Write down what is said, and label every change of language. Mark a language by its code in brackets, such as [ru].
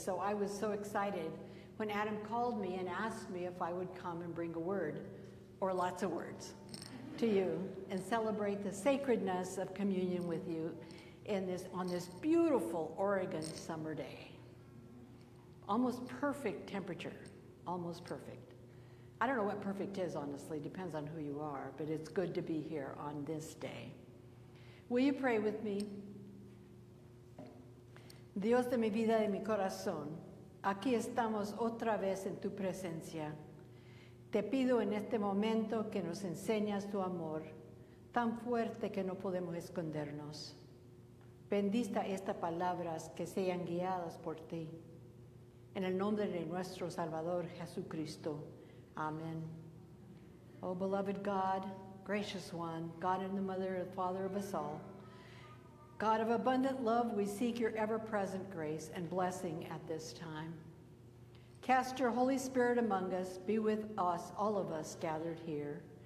[en] So I was so excited when Adam called me and asked me if I would come and bring a word, or lots of words, to you and celebrate the sacredness of communion with you in this on this beautiful Oregon summer day. Almost perfect temperature, almost perfect. I don't know what perfect is, honestly, depends on who you are, but it's good to be here on this day. Will you pray with me? [es] Dios de mi vida y mi corazón, aquí estamos otra vez en tu presencia. Te pido en este momento que nos enseñas tu amor, tan fuerte que no podemos escondernos. Bendita estas palabras que sean guiadas por ti. En el nombre de nuestro Salvador Jesucristo. Amen. [en] Oh, beloved God, gracious one, God and the mother and father of us all, God of abundant love, we seek your ever-present grace and blessing at this time. Cast your Holy Spirit among us, be with us, all of us gathered here.